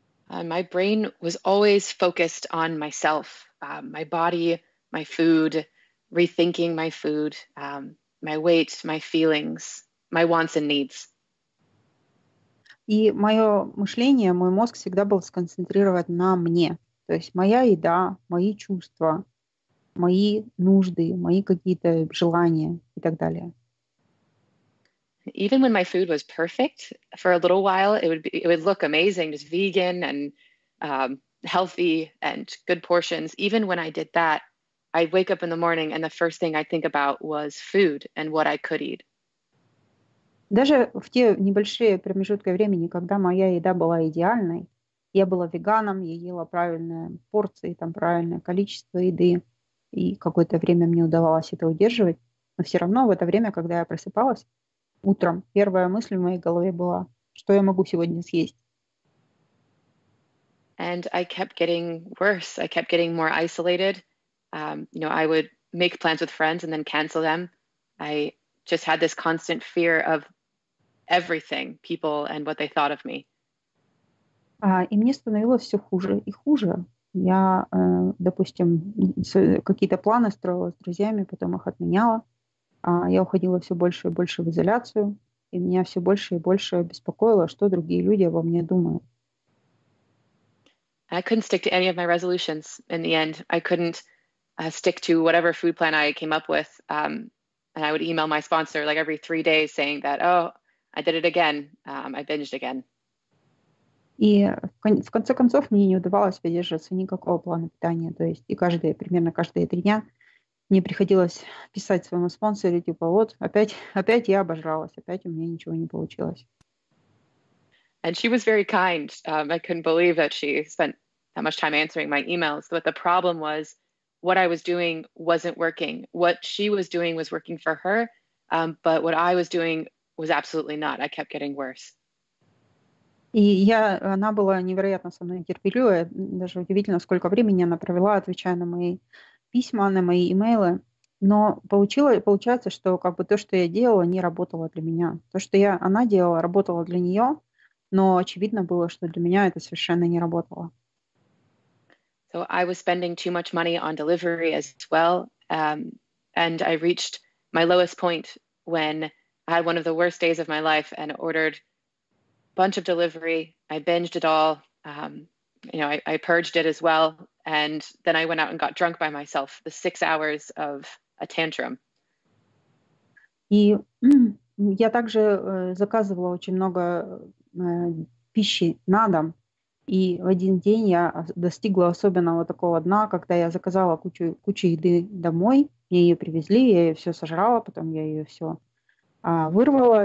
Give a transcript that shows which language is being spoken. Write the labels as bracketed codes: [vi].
[en] My brain was always focused on myself, my body, my food, rethinking my food, my weight, my feelings, my wants and needs. [ru] И мое мышление, мой мозг всегда был сконцентрирован на мне. То есть моя еда, мои чувства, мои нужды, мои какие-то желания и так далее. [en] Even when my food was perfect for a little while, it would look amazing, just vegan and healthy and good portions. Even when I did that, I'd wake up in the morning and the first thing I think about was food and what I could eat. [ru] Даже в те небольшие промежутки времени, когда моя еда была идеальной, я была веганом, я ела правильные порции, там правильное количество еды, и какое-то время мне удавалось это удерживать, но все равно в это время, когда я просыпалась утром, первая мысль в моей голове была, что я могу сегодня съесть. [en] And I kept getting worse. I kept getting more isolated. You know, I would make plans with friends and then cancel them. I just had this constant fear of everything, people and what they thought of me. [ru] И мне становилось все хуже и хуже. Я, допустим, какие-то планы строила с друзьями, потом их отменяла. Я уходила все больше и больше в изоляцию, и меня все больше и больше беспокоило, что другие люди обо мне думают. [en] I couldn't stick to any of my resolutions in the end. I couldn't stick to whatever food plan I came up with. And I would email my sponsor like every 3 days saying that, oh, I did it again. I binged again. [ru] И в конце концов мне не удавалось придерживаться никакого плана питания. То есть и каждые, примерно каждые 3 дня мне приходилось писать своему спонсору, типа, вот, опять я обожралась, опять у меня ничего не получилось. [en] And she was very kind. I couldn't believe that she spent that much time answering my emails. But the problem was what I was doing wasn't working. What she was doing was working for her, but what I was doing was absolutely not. I kept getting worse. [ru] И она была невероятно со мной терпеливая. Даже удивительно, сколько времени она провела, отвечая на мои письма, на мои имейлы. Но получается, что как бы то, что я делала, не работало для меня. То, что она делала, работало для нее, но очевидно было, что для меня это совершенно не работало. [en] So I was spending too much money on delivery as well. And I reached my lowest point when I had one of the worst days of my life and ordered bunch of delivery. I binged it all. I purged it as well. And then I went out and got drunk by myself. The 6 hours of a tantrum. [ru] И я также заказывала очень много пищи на дом. И в один день я достигла особенного такого дна, когда я заказала кучу еды домой. Мне ее привезли, я ее все сожрала, потом я ее все вырвала.